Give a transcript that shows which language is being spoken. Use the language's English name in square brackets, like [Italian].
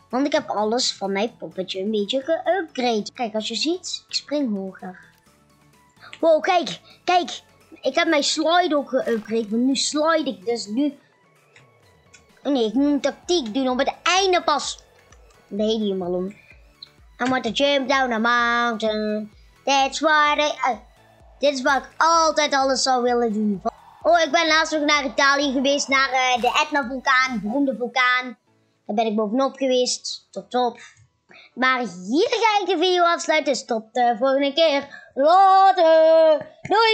[Dutch] Want ik heb alles van mijn poppetje een beetje geüpgraded. Kijk, als je ziet, ik spring hoger. Wow, kijk. Ik heb mijn slide ook geüpgraded. Want nu slide ik dus nu. Nee, ik moet een tactiek doen op het einde pas. De hele helemaal om. [English] I want to jump down a mountain. That's what I... [Dutch] Dit is wat ik altijd alles zou willen doen. Oh, ik ben laatst nog naar Italië geweest. Naar de Etna-vulkaan. Beroemde vulkaan. Daar ben ik bovenop geweest. Top. Maar hier ga ik de video afsluiten. Dus tot de volgende keer. Later. Doei.